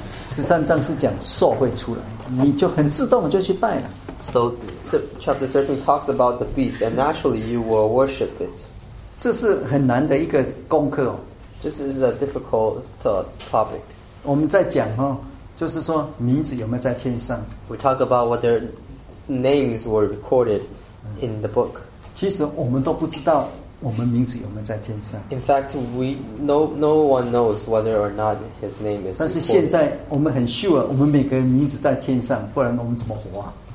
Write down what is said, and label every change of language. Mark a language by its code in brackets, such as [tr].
[zh] 13章是讲兽会出来，你就很自动就去拜了。 [en] So chapter 13 talks about the beast, and naturally you will worship it. [zh] 这是很难的一个功课。This [en] is a difficult topic. [zh] 我们在讲，就是说名字有没有在天上。 [en] We talk about whether names were recorded in the book. [zh] 其实我们都不知道我们名字有没有在天上。 [en] In fact, no one knows whether or not his name is recorded. [zh] 但是现在我们很sure我们每个人名字在天上，不然我们怎么活啊？